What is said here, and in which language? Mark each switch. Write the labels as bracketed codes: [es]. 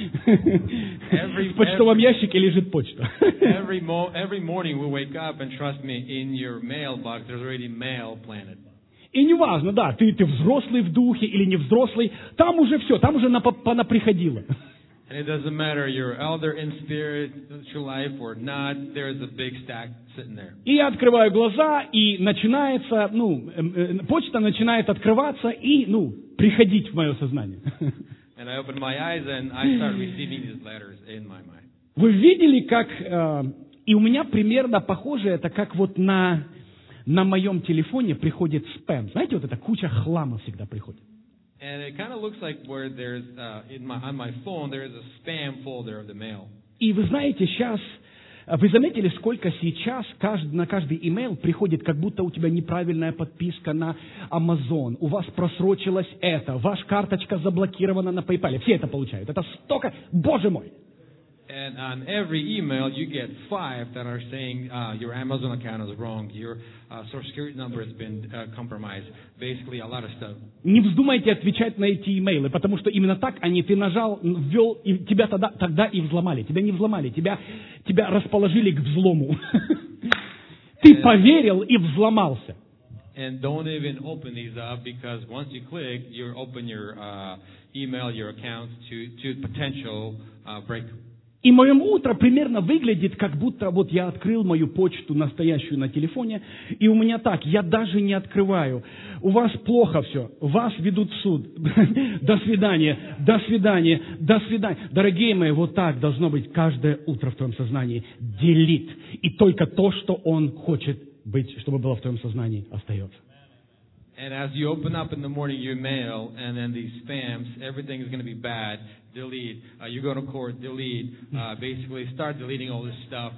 [ru] В почтовом ящике лежит почта. [en] Every morning we wake up, and trust me, in your mailbox there's already mail planted. [ru] И неважно, да, ты взрослый в духе или не взрослый, там уже все, там уже понаприходило. [en] And it doesn't matter, you're elder in spirit, true life or not, there's a big stack sitting there. [ru] И я открываю глаза, и начинается, ну, почта начинает открываться и, ну, приходить в мое сознание. [en] And I open my eyes and I start receiving these letters in my mind. [ru] Вы видели, как, и у меня примерно похоже это, как вот на моем телефоне приходит спам. Знаете, вот эта куча хлама всегда приходит. [en] And it kind of looks like where there's on my phone there is a spam folder of the mail. [ru] И вы знаете, сейчас вы заметили, сколько сейчас на каждый email приходит, как будто у тебя неправильная подписка на Amazon, у вас просрочилось это, ваша карточка заблокирована на PayPal. Все это получают. Это столько, Боже мой. [en] And on every email you get 5 that are saying your Amazon account is wrong, your social security number has been compromised. Basically a lot of stuff. [ru] Не вздумайте отвечать на эти имейлы, потому что именно так они, ты нажал, ввел, и тебя тогда и взломали. Тебя не взломали, тебя расположили к взлому. Ты поверил и взломался. [en] And don't even open these up because once you click, you open your email, your account to potential break. [ru] И моё утро примерно выглядит, как будто вот я открыл мою почту настоящую на телефоне, и у меня так, я даже не открываю. У вас плохо всё, вас ведут в суд. До свидания, до свидания, до свидания. Дорогие мои, вот так должно быть каждое утро в твоём сознании. Делит. И только то, что он хочет быть, чтобы было в твоём сознании, остаётся. [en] And as you open up in the morning your mail, and then these spams, everything is going to be bad. Delete. You go to court. Delete. Basically, start deleting all this stuff.